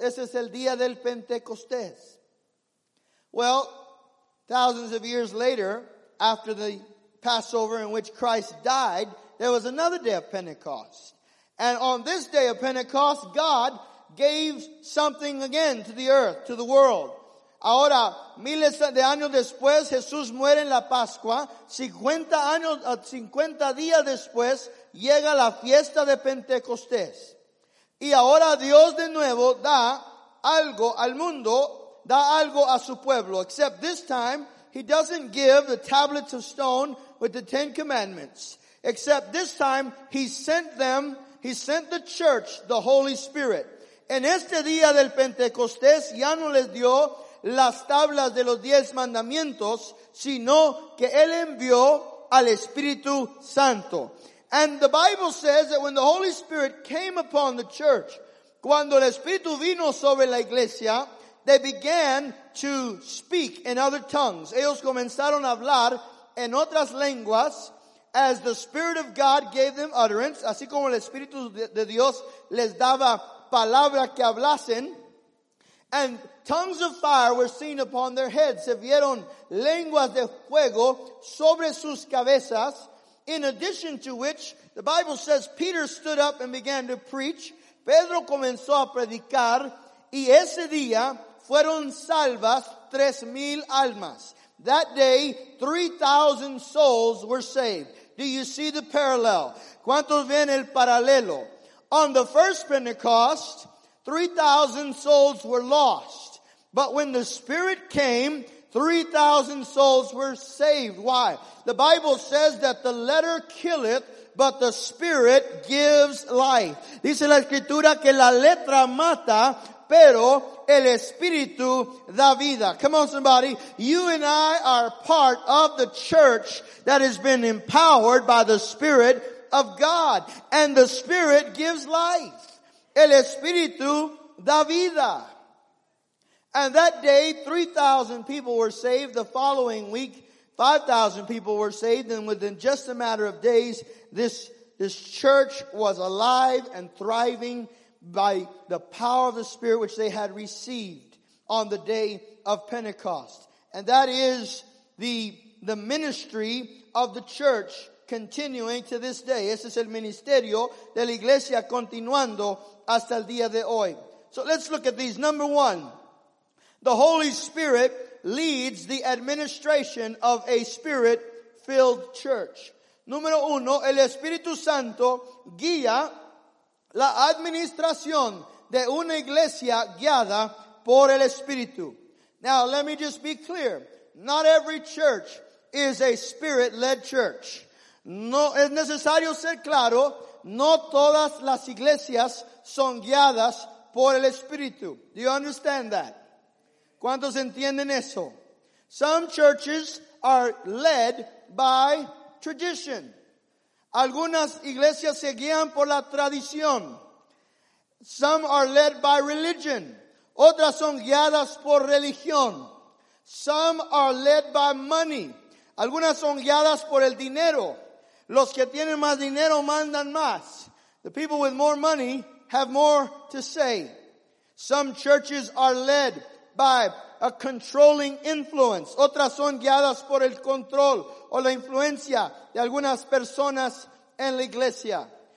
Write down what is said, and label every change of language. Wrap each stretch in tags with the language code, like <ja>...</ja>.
<es>Ese es el día del Pentecostés.</es> <en>Well, thousands of years later, after the Passover in which Christ died, there was another day of Pentecost. And on this day of Pentecost, God gave something again to the earth, to the world.</en> <es>Ahora, miles de años después, Jesús muere en la Pascua. 50 días después, llega la fiesta de Pentecostés. Y ahora Dios de nuevo da algo al mundo, da algo a su pueblo.</es> <en>Except this time, he doesn't give the tablets of stone with the Ten Commandments. Except this time, he sent the church, the Holy Spirit.</en> <es>En este día del Pentecostés, ya no les dio las tablas de los 10 mandamientos, sino que él envió al Espíritu Santo.</es> <en>And the Bible says that when the Holy Spirit came upon the church,</en> <es>cuando el Espíritu vino sobre la iglesia,</es> <en>they began to speak in other tongues.</en> <es>Ellos comenzaron a hablar en otras lenguas</es> <en>as the Spirit of God gave them utterance,</en> <es>así como el Espíritu de Dios les daba palabra que hablasen.</es> <en>And tongues of fire were seen upon their heads.</en> <es>Se vieron lenguas de fuego sobre sus cabezas.</es> <en>In addition to which, the Bible says Peter stood up and began to preach.</en> <es>Pedro comenzó a predicar. Y ese día fueron salvas 3,000 almas.</es> <en>That day, 3,000 souls were saved. Do you see the parallel?</en> <es>¿Cuántos ven el paralelo?</es> <en>On the first Pentecost, 3,000 souls were lost. But when the Spirit came, 3,000 souls were saved. Why? The Bible says that the letter killeth, but the Spirit gives life.</en> <es>Dice la Escritura que la letra mata, pero el Espíritu da vida.</es> <en>Come on, somebody. You and I are part of the church that has been empowered by the Spirit of God. And the Spirit gives life.</en> <es>El Espíritu da vida.</es> <en>And that day, 3,000 people were saved. The following week, 5,000 people were saved. And within just a matter of days, this church was alive and thriving by the power of the Spirit which they had received on the day of Pentecost. And that is the ministry of the church continuing to this day.</en> <es>Ese es el ministerio de la iglesia continuando hasta el día de hoy.</es> <en>So let's look at these. Number one, the Holy Spirit leads the administration of a Spirit-filled church.</en> <es>Número uno, el Espíritu Santo guía la administración de una iglesia guiada por el Espíritu.</es> <en>Now, let me just be clear. Not every church is a Spirit-led church.</en> <es>No, es necesario ser claro, no todas las iglesias son guiadas por el Espíritu.</es> <en>Do you understand that?</en> <es>¿Cuántos entienden eso?</es> <en>Some churches are led by tradition.</en> <es>Algunas iglesias se guían por la tradición.</es> <en>Some are led by religion.</en> <es>Otras son guiadas por religión.</es> <en>Some are led by money.</en> <es>Algunas son guiadas por el dinero. Los que tienen más dinero mandan más.</es> <en>The people with more money have more to say. Some churches are led by a controlling influence.</en> <es>Otras son guiadas por el control o la influencia de algunas personas en la iglesia.</es>